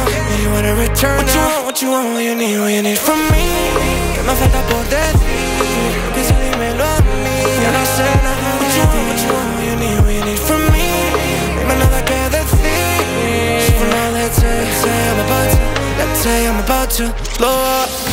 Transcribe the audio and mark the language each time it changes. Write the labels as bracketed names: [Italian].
[English] And you wanna return now. What you want, what you need from me. [Spanish] Que me falta por decir, piensa dímelo a mí. Ya no sé nada de ti. [English] What you want, what you need from me. Dime nada que decir. For now let's say I'm about to. Let's say I'm about to blow up.